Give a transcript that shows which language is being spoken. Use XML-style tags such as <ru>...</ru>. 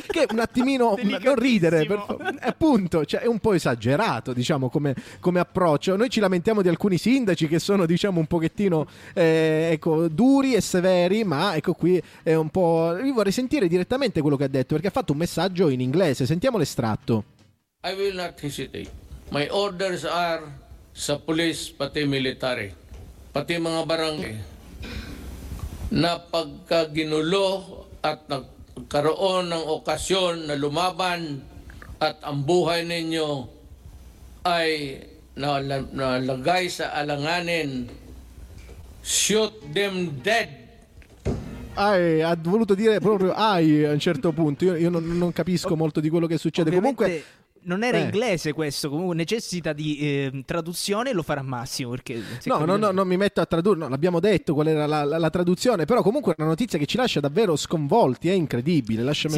<it>Che un attimino, non ridere, per favore. Appunto, cioè è un po' esagerato, diciamo, come approccio. Noi ci lamentiamo di alcuni sindaci che sono, diciamo, un pochettino duri e severi, ma ecco, qui è un po'... Io vorrei sentire direttamente quello che ha detto, perché ha fatto un messaggio in inglese. Sentiamo l'estratto.</it> <en>I will not hesitate. My orders are</en> <tl>sa police, pati military, pati mga barangay, na pagkaginulo at nagkaroon ng okasyon na lumaban at ang buhay ninyo ay nalagay sa alanganin,</tl> <en>shoot them dead.</en> <it>Ai, ha voluto dire proprio ai a un certo punto. Io non capisco molto di quello che succede. Ovviamente... Comunque... Non era inglese questo, comunque necessita di traduzione, lo farà Massimo perché... Non mi metto a tradurre, no, l'abbiamo detto qual era la traduzione, però comunque è una notizia che ci lascia davvero sconvolti, è incredibile, lasciamelo</it>